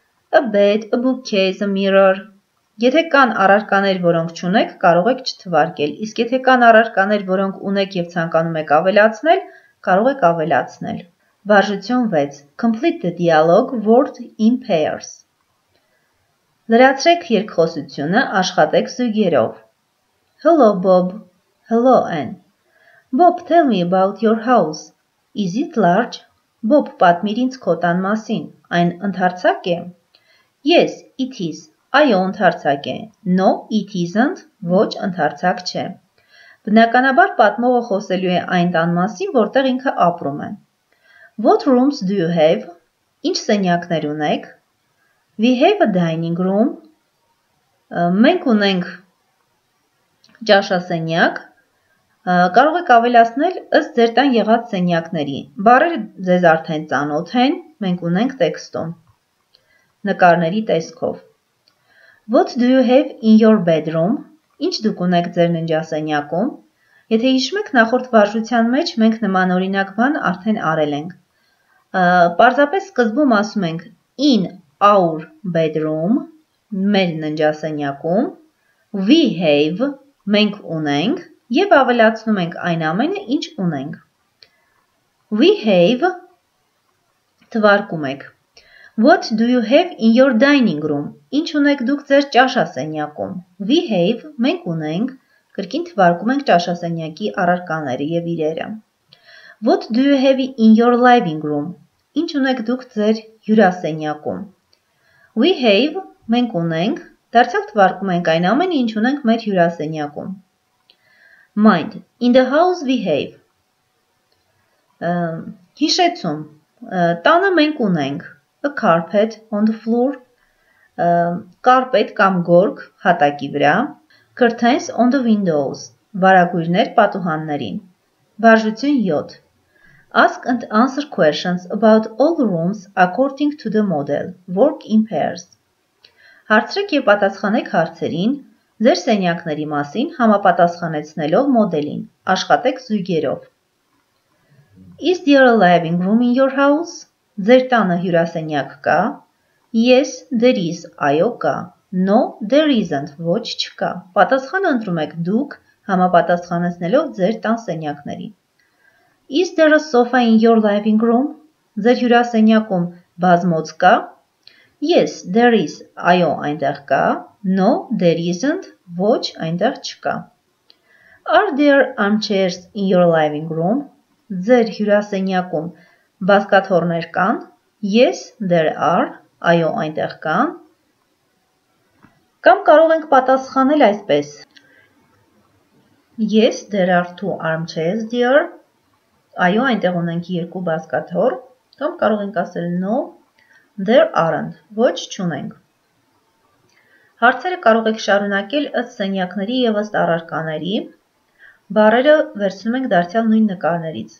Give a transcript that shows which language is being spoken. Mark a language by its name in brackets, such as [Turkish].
[English] A bed, a bookcase, a mirror. [Armenian] Եթե կան առարկաներ, որոնք չունեք, կարող եք չթվարկել, իսկ եթե կան առարկաներ, որոնք ունեք և ցանկանում եք ավելացնել, կարող եք ավելացնել։ Բարժություն 6. [English] Complete the dialogue word in pairs. [Armenian] Լրացրեք երկխոսությունը, աշխատեք զույգերով. [English] Hello, Bob. Hello, Anne. Bob, tell me about your house. Is it large? [Armenian] Bob, պատմիր ինձ քո տան մասին. Այն ընդարձակ է? [English] Yes, it is. [Armenian] Այո, ընդարձակ է. [English] No, it isn't. [Armenian] Ոչ, ընդարձակ չէ. Բնականաբար պատմողը խոսելու է այն տան մասին, որտեղ ինքը ապրում է. [English] What rooms do you have? [Armenian] Ինչ սենյակներ ունեք? [English] We have a dining room. [Armenian] Մենք ունենք ճաշասենյակ. Կարող եք ավելացնել ըստ ձեր տան եղած սենյակների. Բառերը ձեզ արդեն ծանոթ են, մենք ունենք տեքստում։ Նկարների տեսքով. [English] What do you have in your bedroom? [Armenian] Ինչ դուք ունեք ձեր ննջասենյակում? Եթե հիշում եք նախորդ վարժության մեջ, մենք նման օրինակ բան արդեն արել ենք։ Պարզապես սկզբում ասում ենք [English] in our bedroom, [Armenian] մեր ննջասենյակում, [English] we have, [Armenian] մենք ունենք, և ավելացնում ենք այն ամենը, ինչ ունենք։ [English] We have, [Armenian] թվարկում եք։ [English] What do you have in your dining room? [Armenian] Ինչ ունեք դուք ձեր ճաշասենյակում? [English] We have, [Armenian] մենք ունենք, կրկին թվարկում ենք ճաշասենյակի առարկաները և իրերը։ [English] What do you have in your living room? [Armenian] Ինչ ունեք դուք ձեր հյուրասենյակում? [English] We have, [Armenian] մենք ունենք, դարձյալ թվարկում ենք այն ամենը, ինչ ունենք մեր հյուրասենյակում։ [English] Mind, in the house we have. [Armenian] Հիշեցում, տանը մենք ունենք, [English] a carpet on the floor, [Armenian] կարպետ կամ գորգ հատակի վրա, [English] Curtains on the windows. [Armenian] Վարագույրներ պատուհաններին. Վարժություն 7. [English] Ask and answer questions about all rooms according to the model. Work in pairs. [Armenian] Հարցրեք եւ պատասխանեք հարցերին ձեր սենյակների մասին համապատասխանեցնելով մոդելին. Աշխատեք զույգերով. [English] Is there a living room in your house? [Armenian] Ձեր տանը հյուրասենյակ կա? [English] Yes, there is. [Armenian] Այո, կա. [English] No, there isn't. [Armenian] Ոչ, չկա. Պատասխանը ընտրում եք դուք, համապատասխանեցնելով ձեր տան սենյակներին. [English] Is there a sofa in your living room? [Armenian] Ձեր հյուրասենյակում բազմոց կա? [English] Yes, there is. [Armenian] Այո, այնտեղ կա. [English] No, there isn't. [Armenian] Ոչ, այնտեղ չկա. [English] Are there armchairs in your living room? [Armenian] Ձեր հյուրասենյակում բազկաթոռներ կան? [English] Yes, there are. [Armenian] Այո, այնտեղ կան. Կամ կարող ենք պատասխանել այսպես. [English] Yes, there are two armchairs, dear. [Armenian] Այո, այնտեղ ունենք երկու բազկաթոռ. Կամ կարող ենք ասել [English] no, there aren't. [Armenian] Ոչ, չունենք. Հարցերը կարող եք շարունակել ըստ սենյակների եւ ըստ առարկաների։ Բառերը վերցնում ենք դարձյալ նույն նկարներից։